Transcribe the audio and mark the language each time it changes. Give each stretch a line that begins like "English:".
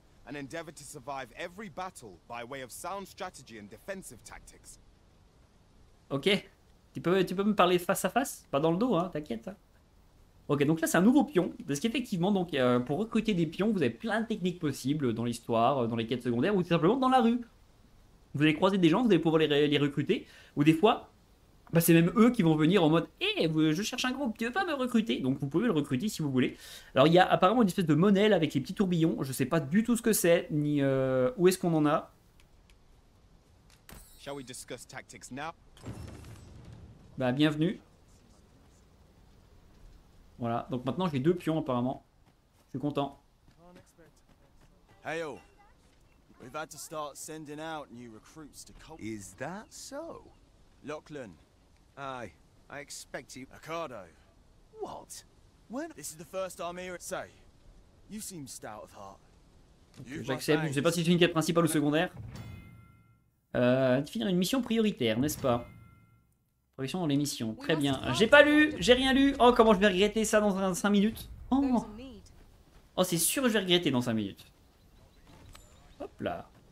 English: And endeavor to survive every battle by way of sound strategy and defensive tactics.
French: Ok, tu peux me parler face à face, pas dans le dos, hein, t'inquiète. Ok, donc là c'est un nouveau pion, parce qu'effectivement, donc, pour recruter des pions, vous avez plein de techniques possibles dans l'histoire, dans les quêtes secondaires, ou tout simplement dans la rue. Vous allez croiser des gens, vous allez pouvoir les recruter, ou des fois, bah, c'est même eux qui vont venir en mode hey, « je cherche un groupe, tu veux pas me recruter ?» Donc vous pouvez le recruter si vous voulez. Alors il y a apparemment une espèce de monnaie avec les petits tourbillons. Je sais pas du tout ce que c'est, ni où est-ce qu'on en a.
English: Shall we discuss tactics now?
French: Bah bienvenue. Voilà, donc maintenant j'ai deux pions apparemment. Je suis content.
English: Hey yo, we've had to start sending out new recruits to cult. Is that so? Lachlan. Aye. I expect you- Accardo. What? When- This is the first I'm here- Say, you seem stout of heart.
French: J'accepte, je sais pas si c'est une quête principale ou secondaire. Définir une mission prioritaire, n'est-ce pas? Progression dans les missions, très bien. J'ai pas lu, j'ai rien lu. Oh, comment je vais regretter ça dans 5 minutes? Oh, c'est sûr que je vais regretter dans 5 minutes. Hop là.